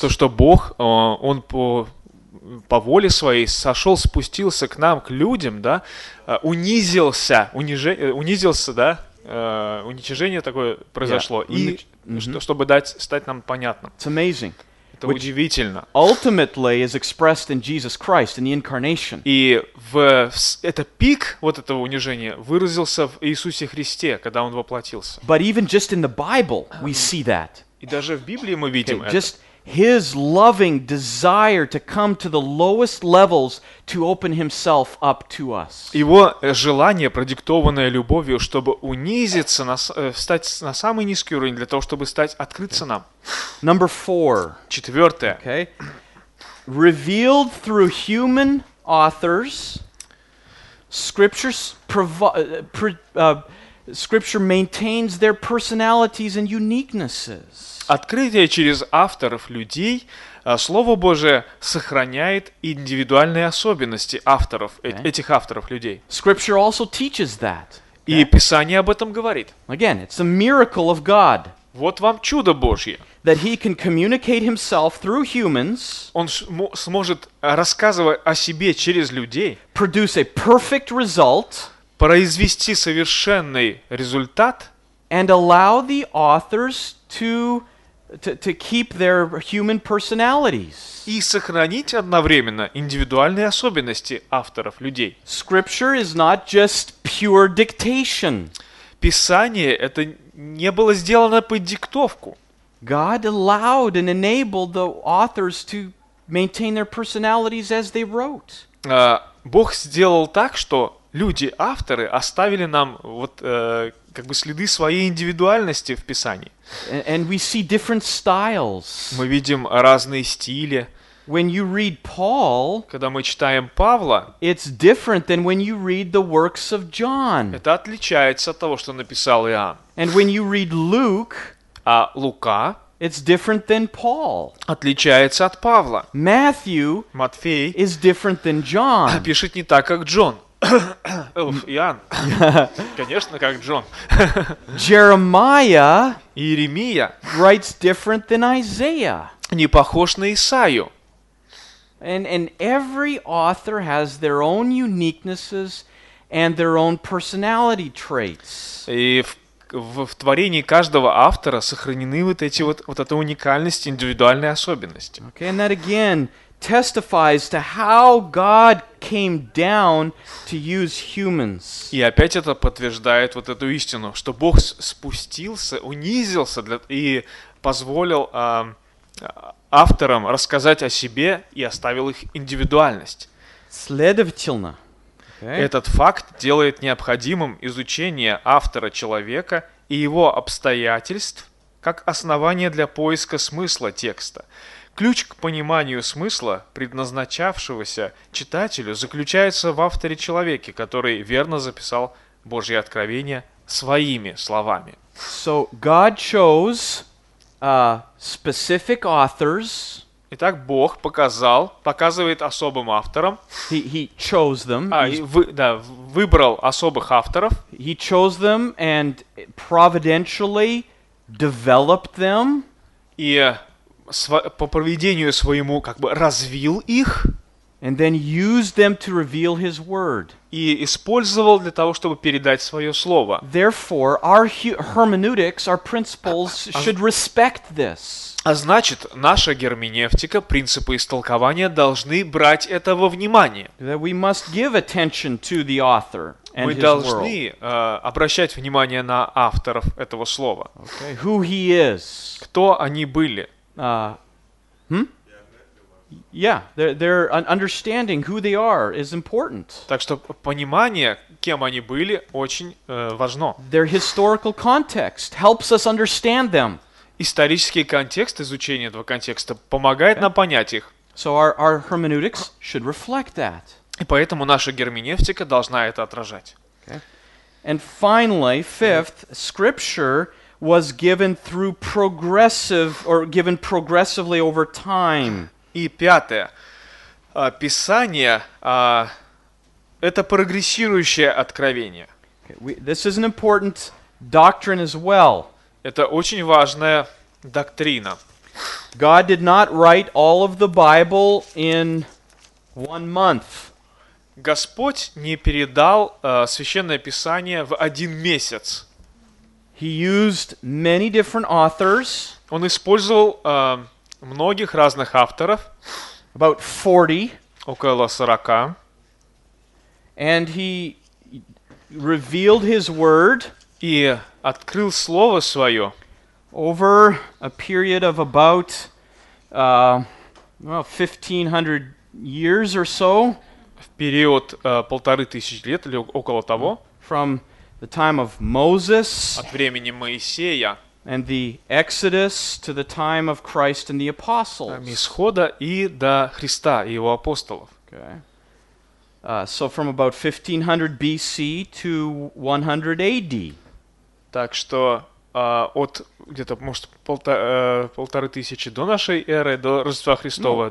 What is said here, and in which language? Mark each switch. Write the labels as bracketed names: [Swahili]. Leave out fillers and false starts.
[Russian] То, что Бог, он по воле своей сошел, спустился к нам, к людям, да, унизился, унизился, да? Уничижение такое произошло, [English] yeah. [Russian] Чтобы стать нам понятным. [English] It's amazing. [Russian] Это [English] Which [Russian] удивительно. [English] Ultimately is expressed in Jesus Christ in the incarnation. [Russian] И это пик вот этого унижения выразился в Иисусе Христе, когда он воплотился. [English] But even just in the Bible we see that. [Russian] И даже в Библии мы видим okay, это. [English] Just his loving desire to come to the lowest levels to open himself up to us. [Russian] Его желание, продиктованное любовью, чтобы унизиться, встать на самый низкий уровень для того, чтобы стать открыться нам. [English] Number four. [Russian] Четвертое. Okay. [English] Revealed through human authors, scripture maintains their personalities and uniquenesses. [Russian] Открытие через авторов людей, Слово Божие сохраняет индивидуальные особенности авторов, [English] okay. [Russian] этих авторов людей. [English] Scripture also teaches that. [Russian] И Писание об этом говорит. [English] Again, it's a miracle of God. [Russian] Вот вам чудо Божье. [English] That he can communicate himself through humans. [Russian] Он сможет рассказывать о себе через людей. [English] Produce a perfect result. [Russian] Произвести совершенный результат. [English] And allow the authors to keep their human personalities. [Russian] И сохранить одновременно индивидуальные особенности авторов, людей. [English] Scripture is not just pure dictation. [Russian] Писание это не было сделано под диктовку. [English] God allowed and enabled the authors to maintain their personalities as they wrote. [Russian] Бог сделал так, что люди-авторы оставили нам вот как бы следы своей индивидуальности в Писании. [English] And we see different styles. [Russian] Мы видим разные стили. [English] When you read Paul, [Russian] когда мы читаем Павла, [English] it's different than when you read the works of John. [Russian] Это отличается от того, что написал Иоанн. [English] And when you read Luke, [Russian] а Лука, [English] it's different than Paul. [Russian] Отличается от Павла. [English] Matthew, [Russian] Матфей, [English] is different than John. [Russian] Пишет не так, как Джон. Иоанн. Конечно, как Джон. [English] Jeremiah, [Russian] Иеремия, [English] writes different than Isaiah. [Russian] Не похож на Исаию. [English] And every author has their own uniquenesses and their own personality traits. [Russian] И в творении каждого автора сохранены вот эти вот, вот эта уникальность, индивидуальные особенности. [English] Okay, and that again testifies to how God came down to use humans. [Russian] И опять это подтверждает вот эту истину, что Бог спустился, унизился для, и позволил авторам рассказать о себе и оставил их индивидуальность. Следовательно, okay. Этот факт делает необходимым изучение автора человека и его обстоятельств как основание для поиска смысла текста. Ключ к пониманию смысла, предназначавшегося читателю, заключается в авторе человеке, который верно записал Божье откровение своими словами. [English] So God chose specific authors. [Russian] Итак, Бог показал, показывает особым авторам. [English] He chose them. [Russian] Выбрал особых авторов. [English] He chose them and providentially developed them. [Russian] И по провидению своему как бы развил их. [English] And then used them to reveal his word. [Russian] И использовал для того, чтобы передать свое слово. [English] Therefore, our hermeneutics, our principles should respect this. [Russian] А значит, наша герменевтика, принципы истолкования, должны брать это во внимание. [English] That we must give attention to the author and [Russian] мы [English] his [Russian] должны [English] world. [Russian] Обращать внимание на авторов этого слова. [English] Okay. Who he is. [Russian] Кто они были? [English] Yeah, their understanding who they are is important. [Russian] Так что понимание, кем они были, очень важно. [English] Their historical context helps us understand them. [Russian] Исторический контекст, изучение этого контекста помогает нам понять их. [English] So our hermeneutics should reflect that. [Russian] И поэтому наша герменевтика должна это отражать. [English] Okay. And finally, fifth, scripture was given through given progressively over time. [Russian] И пятое. Писание это прогрессирующее откровение. [English] This is an important doctrine as well. [Russian] Это очень важная доктрина. [English] God did not write all of the Bible in one month. [Russian] Господь не передал Священное Писание в один месяц. [English] He used many different authors. [Russian] Он использовал многих разных авторов. [English] About 40. [Russian] Около 40. [English] And he revealed his word. [Russian] И открыл слово свое. [English] Over a period of about 1500 years or so. [Russian] В период 1500 лет или около того. [English] From the time of Moses. [Russian] От времени Моисея. [English] And the Exodus to the time of Christ and the apostles. [Russian] Исхода и до Христа и его апостолов. [English] Okay. So from about 1500 BC to 100 AD. [Russian] Так что от где-то может полторы тысячи до нашей эры до Рождества Христова [English] no.